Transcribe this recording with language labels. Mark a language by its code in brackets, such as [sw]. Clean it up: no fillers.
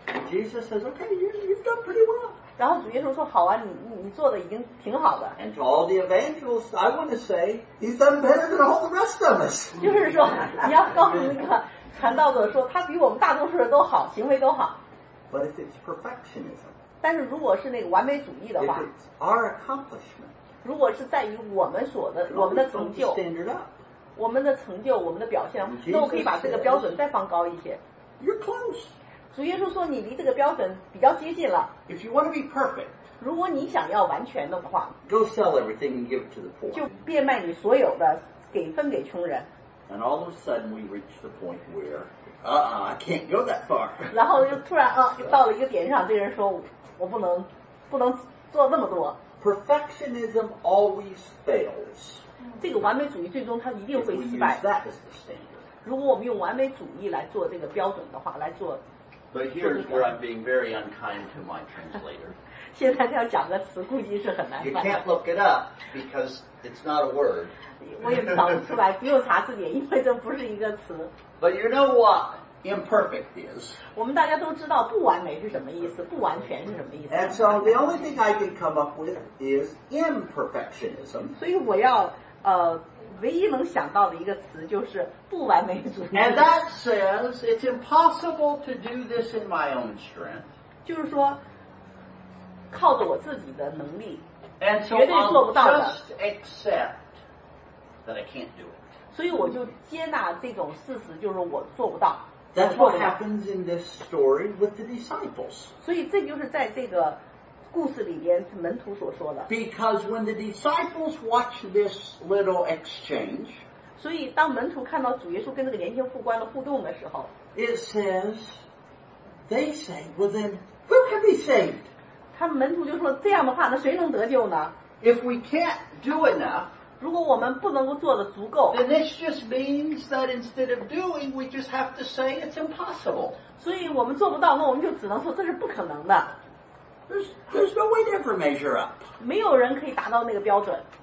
[en] Jesus says okay you've done pretty well [zh] 然后主耶稣说好啊你做的已经挺好的 [en] and to all the evangelists I want to say he's done better than all the rest of us [zh] 就是说你要告诉那个传道者说他比我们大多数人都好行为都好 [en] But if it's perfectionism, [zh] 但是如果是那个完美主义的话 [en] if it's our accomplishment, [zh] 如果是在于我们所的我们的成就 [en] standard up. [zh] 我们的成就我们的表现都可以把这个标准再放高一些 [en] You're close. [zh] 主耶稣说你离这个标准比较接近了 [en] If you want to be perfect, [zh] 如果你想要完全的话 [en] Go sell everything and give it to the poor. [zh] 就变卖你所有的给分给穷人 [en] And all of a sudden we reach the point where I can't go that far. [zh] 然后又突然就到了一个点上这个人说我不能做那么多 [en] Perfectionism always fails. [zh] 这个完美主义最终它一定会失败 [en] If we use that as the standard. [zh] 如果我们用完美主义来做这个标准的话来做 [en] But here's where I'm being very unkind to my translator. [zh] 现在要讲个词估计是很难办的。 [en] You can't look it up because it's not a word. [zh] 我也找不出来，不用查字典，因为这不是一个词。 [en] But you know what imperfect is. [zh] 我们大家都知道不完美是什么意思，不完全是什么意思。 [en] And so the only thing I can come up with is imperfectionism. [zh] 所以我要唯一能想到的一个词就是不完美主义。 [en] And that says it's impossible to do this in my own strength. [zh] 就是说，靠着我自己的能力， [en] And so、 [zh] 绝对做不到的。 [en] I'll just accept that I can't do it. [zh] 所以我就接纳这种事实，就是我做不到。 [en] That's what happens in this story with the disciples. [zh] 所以这就是在这个故事里边门徒所说的 [en] Because when the disciples watch this little exchange [zh] 所以当门徒看到主耶稣跟那个年轻副官的互动的时候 [en] It says They say Well then Who can be saved [zh] 他们门徒就说这样的话那谁能得救呢 [en] If we can't do enough [zh] 如果我们不能够做得足够 [en] Then this just means that instead of doing We just have to say it's impossible [zh] 所以我们做不到那我们就只能说这是不可能的 [en] There's no way to ever measure up. [zh] 没有人可以达到那个标准。